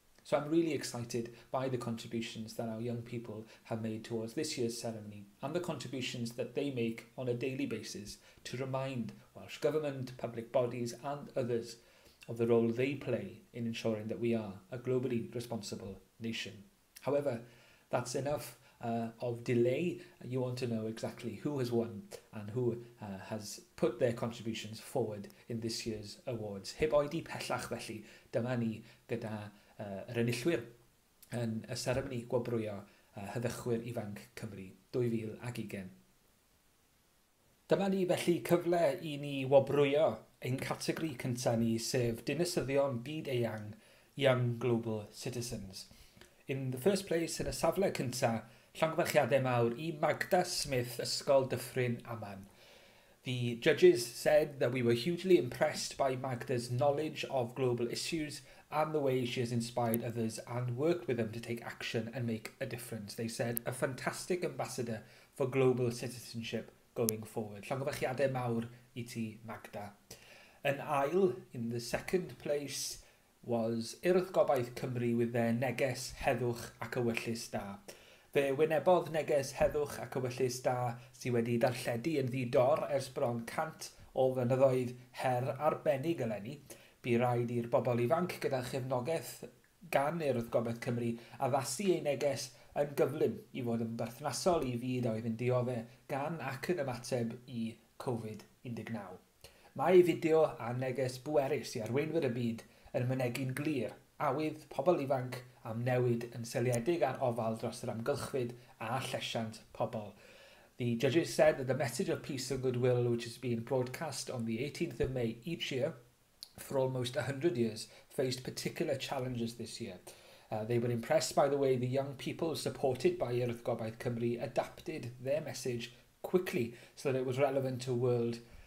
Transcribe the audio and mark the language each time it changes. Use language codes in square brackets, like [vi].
[en] So I'm really excited by the contributions that our young people have made towards this year's ceremony and the contributions that they make on a daily basis to remind Welsh Government, public bodies and others of the role they play in ensuring that we are a globally responsible nation. However, that's enough of delay. You want to know exactly who has won and who has put their contributions forward in this year's awards. [cy] Heb oedi pellach felly, dyma ni gyda yr enillwyr yn y seremoni gwobrwyo hyddychwyr ifanc Cymru 2020. Dyma ni felly cyfle I ni wobrwyo ein categori cynta ni, sef dinasyddion byd eang, [en] Young Global Citizens. In the first place, [cy] yn y safle cynta, llongyfarchiadau mawr I Magda Smith, Ysgol Dyffryn Aman. [en] The judges said that we were hugely impressed by Magda's knowledge of global issues and the way she has inspired others and worked with them to take action and make a difference. They said, a fantastic ambassador for global citizenship going forward. [cy] Llongyfarchiadau mawr I ti, Magda. An ail [en] in the second place was [cy] Urdd Gobaith Cymru [en] with their [cy] neges heddwch ac ewyllus da. Fe wynebodd neges heddwch ac ewyllus da sydd wedi darlledu yn ddidor ers bron 100 o fynyddoedd her arbennig eleni. Bu rhaid i'r bobl ifanc gyda chefnogaeth gan Urdd Gobaith Cymru addasu ei neges yn gyflym I fod yn berthnasol I fyd oedd yn dioddef gan ac yn ymateb I COVID-19. Mae fideo a neges bwerus I arweinwyr y byd yn mynegi'n glir awydd pobl ifanc am newid yn seiliedig ar ofal dros yr amgylchfyd a llesiant pobl. [en] The judges said that the message of peace and goodwill, which has been broadcast on the 18th of May each year, for almost 100 years, faced particular challenges this year. They were impressed by the way the young people supported by Urdd Gobaith Cymru adapted their message quickly so that it was relevant to world